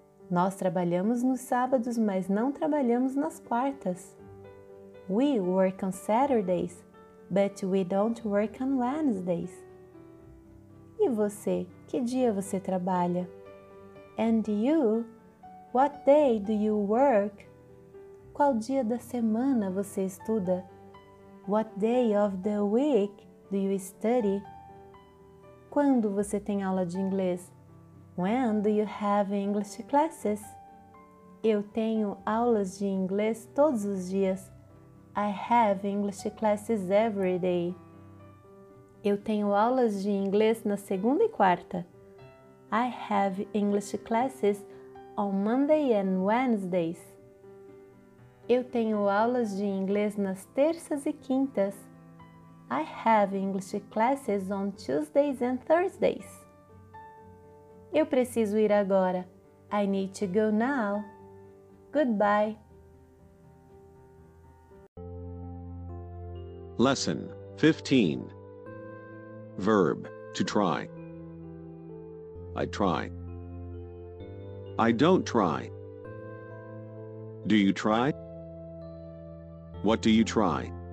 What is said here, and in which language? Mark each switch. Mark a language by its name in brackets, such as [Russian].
[Portuguese] Nós trabalhamos nos sábados, mas não trabalhamos nas quartas. [English] We work on Saturdays, but we don't work on Wednesdays. [Portuguese] E você, que dia você trabalha? [English] And you, what day do you work? [Portuguese] Qual dia da semana você estuda? [English] What day of the week do you study? [Portuguese] Quando você tem aula de inglês? [English] When do you have English classes? [Portuguese] Eu tenho aulas de inglês todos os dias. [English] I have English classes every day. [Portuguese] Eu tenho aulas de inglês na segunda e quarta. [English] I have English classes on Monday and Wednesdays. [Portuguese] Eu tenho aulas de inglês nas terças e quintas. [English] I have English classes on Tuesdays and Thursdays. [Portuguese] Eu preciso ir agora. [English] I need to go now. Goodbye. Lesson 15. Verb, to try. I try. I don't try. Do you try? What do you try?